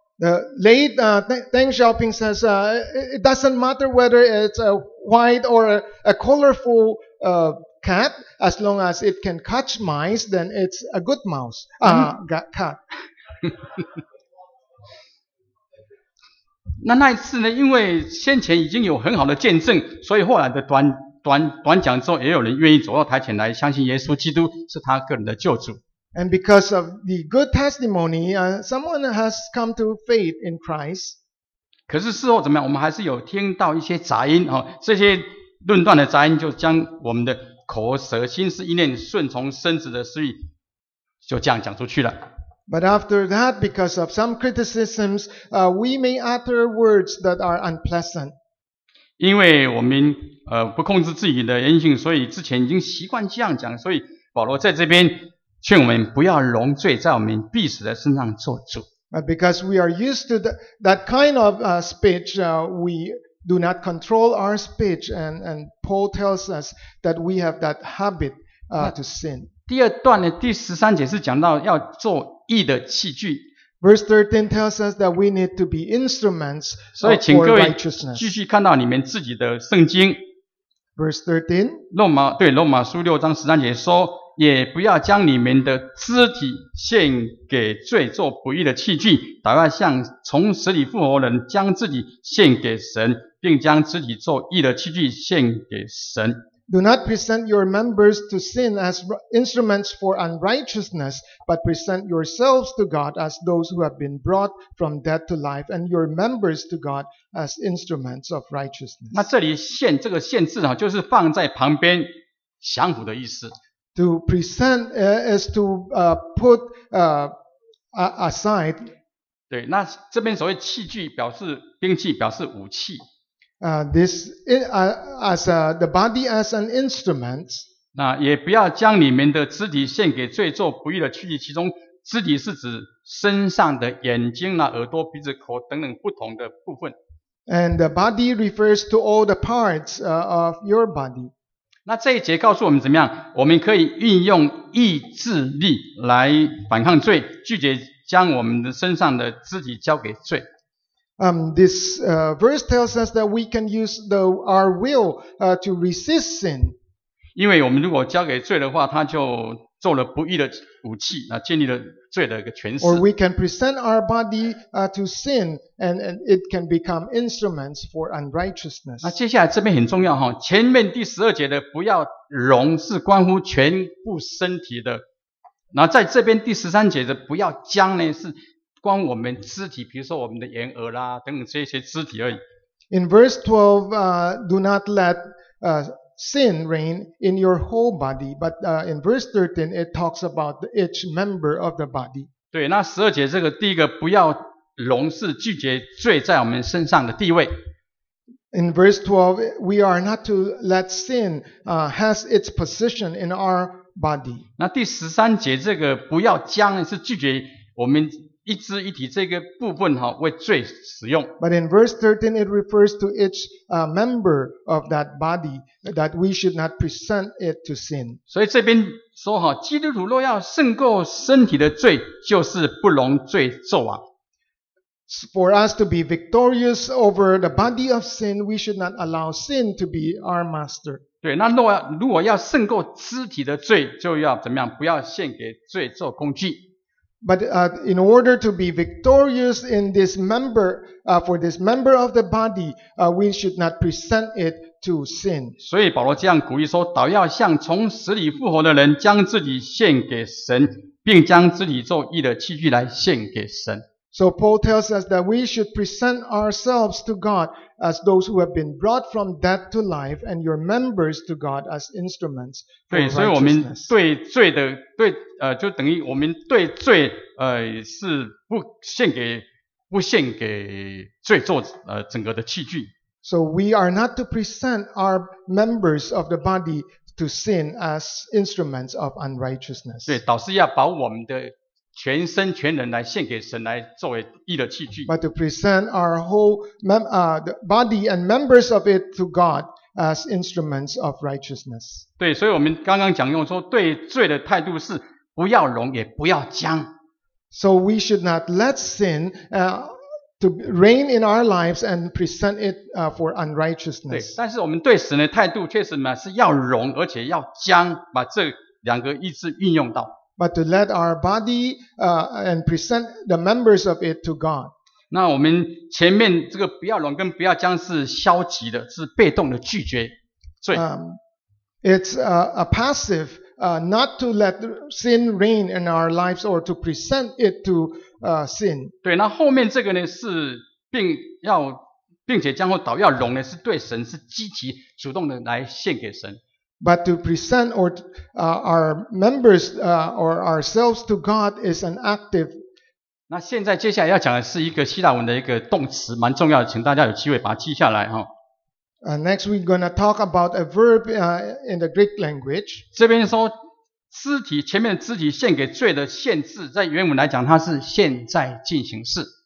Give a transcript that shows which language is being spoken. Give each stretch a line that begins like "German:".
English: The late Deng Xiaoping says, it doesn't matter whether it's a white or a colorful cat, as long as it can catch mice, then it's a good mouse, cat.
Chinese: 那一次呢，因为先前已经有很好的见证，所以后来的短讲之后，也有人愿意走到台前来相信耶稣基督是他个人的救主。
English: And because of the good testimony, someone has come to faith in Christ.
Chinese: 可是事后怎么样，我们还是有听到一些杂音，这些论断的杂音就将我们的口舌心思意念顺从身子的私欲就这样讲出去了。
English: But after that, because of some criticisms, we may utter words that are unpleasant.
Chinese: 因为我们不控制自己的言行，所以之前已经习惯这样讲，所以保罗在这边劝我们不要容罪在我们彼此的身上做主。
English: Because we are used to that kind of speech, we do not control our speech, and Paul tells us that we have that habit to sin.
Chinese: 第二段的第十三节是讲到要做义的器具。
English: Verse 13 tells us that we need to be instruments for righteousness.
Chinese: 所以请各位继续看到你们自己的圣经。
English: Verse 13.
Chinese: 罗马书六章十三节说，也不要将你们的肢体献给罪做不义的器具，倒要像从死里复活人将自己献给神，并将肢体做义的器具献给神。
English: Do not present your members to sin as instruments for unrighteousness, but present yourselves to God as those who have been brought from death to life, and your members to God as instruments of righteousness.
Chinese: 那这里献这个献字就是放在旁边降服的意思。
English: To present is to put aside.
Chinese: 对，那这边所谓器具表示兵器，表示武器。
English: As the body as an instrument.
Chinese: 那也不要将你们的肢体献给罪做不义的器具，其中肢体是指身上的眼睛啦、耳朵、鼻子、口等等不同的部分。
English: And the body refers to all the parts of your body.
Chinese: 那这一节告诉我们怎么样？我们可以运用意志力来反抗罪，拒绝将我们的身上的肢体交给罪。
English: This verse tells us that we can use our will to resist sin.
Chinese: 因为我们如果交给罪的话，他就做了不义的武器，建立了罪的一个权势。
English: Or we can present our body to sin, and it can become instruments for unrighteousness.
Chinese: 那接下来这边很重要，前面第十二节的不要容是关乎全部身体的，那在这边第十三节的不要将呢是关我们肢体，比如说我们的眼耳啦等等这些肢体而已。
English: In verse 12, do not let sin reign in your whole body, but in verse 13, it talks about each member of the body.
Chinese: 对，那十二节这个第一个不要容是拒绝罪在我们身上的地位。
English: In verse 12, we are not to let sin has its position in our body.
Chinese: 那第十三节这个不要将是拒绝我们一肢一体这个部分为罪使用。
English: But in verse 13, it refers to each member of that body that we should not present it to sin.
Chinese: 所以这边说，基督徒若要胜过身体的罪，就是不容罪作王。
English: For us to be victorious over the body of sin, we should not allow sin to be our master.
Chinese: 对，那如果要胜过肢体的罪，就要怎么样？不要献给罪做工具。
English: But in order to be victorious in this member, for this member of the body, we should not present it to sin.
Chinese: 所以保罗这样鼓励说，倒要像从死里复活的人，将自己献给神，并将自己做义的器具来献给神。
English: So Paul tells us that we should present ourselves to God as those who have been brought from death to life, and your members to God as instruments for righteousness.
Chinese: 对，所以我们对罪的对就等于我们对罪是不献给罪做整个的器具。
English: So we are not to present our members of the body to sin as instruments of unrighteousness.
Chinese: 对，倒是要把我们的全身全人来献给神，来作为义的器具。
English: But to present our whole body and members of it to God as instruments of righteousness.
Chinese: 对，所以我们刚刚讲用说，对罪的态度是不要容也不要将。
English: So we should not let sin to reign in our lives and present it for unrighteousness.
Chinese: 对，但是我们对神的态度确实是要容，而且要将，把这两个意志运用到。
English: But to let our body and present the members of it to God.
Chinese: 那我们前面这个不要容跟不要将是消极的，是被动的拒绝罪。
English: It's a passive, not to let sin reign in our lives or to present it to sin.
Chinese: 对，那后面这个呢是并且将后倒要容呢，是对神是积极主动的来献给神。
English: But to present our members or ourselves to God is an active.
Chinese: 那现在接下来要讲的是一个希腊文的一个动词，蛮重要的，请大家有机会把它记下来。
English: Next, we're going to talk about a verb in the Greek language.
Chinese: 这边说肢体前面的肢体献给罪的限制，在原文来讲，它是现在进行式。